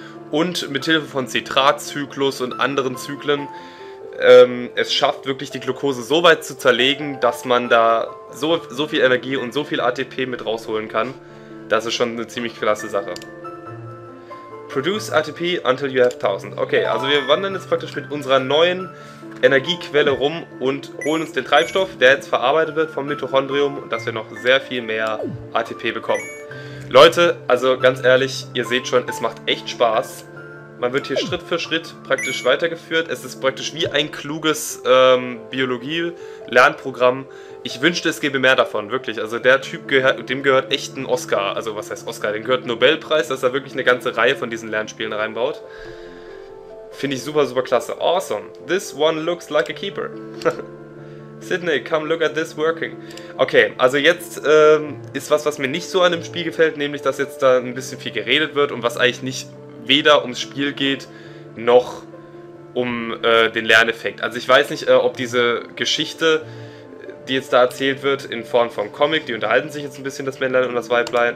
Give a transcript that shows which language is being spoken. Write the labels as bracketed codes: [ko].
[de] Und mithilfe von Citratzyklus und anderen Zyklen, es schafft wirklich die Glucose so weit zu zerlegen, dass man da so viel Energie und so viel ATP mit rausholen kann. Das ist schon eine ziemlich klasse Sache. [en] Produce ATP until you have 1000. [de] Okay, also wir wandern jetzt praktisch mit unserer neuen Energiequelle rum und holen uns den Treibstoff, der jetzt verarbeitet wird vom Mitochondrium, dass wir noch sehr viel mehr ATP bekommen. Leute, also ganz ehrlich, ihr seht schon, es macht echt Spaß. Man wird hier Schritt für Schritt praktisch weitergeführt. Es ist praktisch wie ein kluges Biologie-Lernprogramm. Ich wünschte, es gäbe mehr davon, wirklich. Also der Typ, dem gehört echt ein Oscar. Also was heißt Oscar? Dem gehört ein Nobelpreis, dass er wirklich eine ganze Reihe von diesen Lernspielen reinbaut. Finde ich super, super klasse. Awesome. [en] This one looks like a keeper. Sydney, come look at this working. [de] Okay, also jetzt ist was mir nicht so an dem Spiel gefällt, nämlich, dass jetzt da ein bisschen viel geredet wird und was eigentlich nicht weder ums Spiel geht, noch um den Lerneffekt. Also ich weiß nicht, ob diese Geschichte, die jetzt da erzählt wird, in Form von Comic, die unterhalten sich jetzt ein bisschen, das Männlein und das Weiblein.